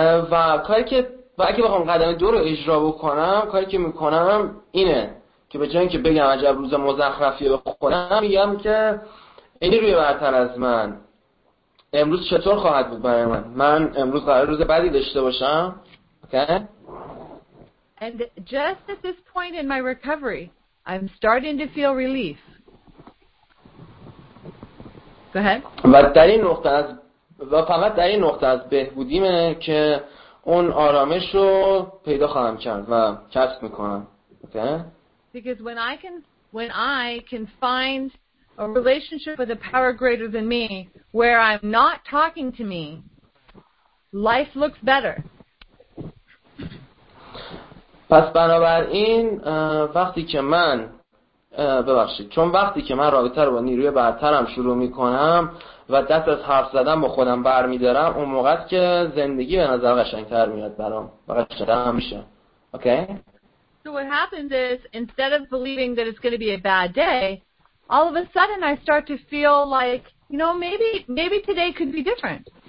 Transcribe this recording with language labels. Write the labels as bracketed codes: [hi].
[fa] و کاری که و اگه بخوام قدم دو رو اجرا بکنم، کاری که میکنم اینه که به جای اینکه بگم عجب روز مزخرفیه بکنم، میگم که اینی روی برتر از من، امروز چطور خواهد بود برای من؟ من امروز قرار روز بدی داشته باشم. [en] Okay. And just at this point in my recovery, I'm starting to feel relief. Go ahead. [fa] و در این نقطه از و فقط در این نقطه از بهبودیمه که اون آرامش رو پیدا خواهم کرد و کسب میکنم. [en] Okay. Because when I can find a relationship with a power greater than me where I'm not talking to me, life looks better. [fa] پس بنابراین وقتی که من ببخشید چون وقتی که من رابطه رو با نیروی برترم شروع میکنم و دست از حرف زدن با خودم برمیدارم، اون موقع که زندگی به نظر قشنگتر میاد برام و قشنگتر هم میشه. [en] Okay. So what happens is instead of believing that it's going to be a bad day, all of a sudden I start to feel like, you know, maybe today could be different.